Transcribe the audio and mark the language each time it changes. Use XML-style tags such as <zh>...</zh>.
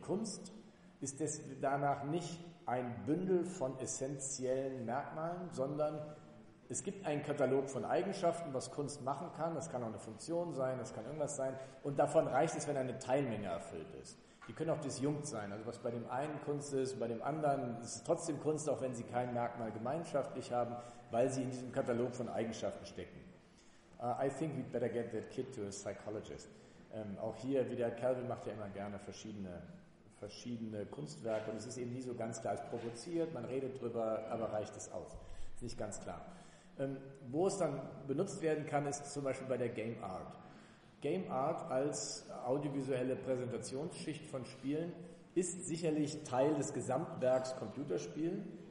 <de>Kunst ist danach nicht ein Bündel von essentiellen Merkmalen, sondern es gibt einen Katalog von Eigenschaften, was Kunst machen kann. Das kann auch eine Funktion sein, das kann irgendwas sein. Und davon reicht es, wenn eine Teilmenge erfüllt ist. Die können auch disjunkt sein. Also was bei dem einen Kunst ist, bei dem anderen ist es trotzdem Kunst, auch wenn sie kein Merkmal gemeinschaftlich haben, weil sie in diesem Katalog von Eigenschaften stecken.</de> <en>I think we'd better get that kid to a psychologist.</en> <de>Auch hier, wieder Calvin macht ja immer gerne verschiedene Kunstwerke und es ist eben nie so ganz klar, es provoziert, man redet drüber, aber reicht es aus. Ist nicht ganz klar. Wo es dann benutzt werden kann, ist zum Beispiel bei der Game Art. Game Art als audiovisuelle Präsentationsschicht von Spielen ist sicherlich Teil des Gesamtwerks Computerspielen.</de>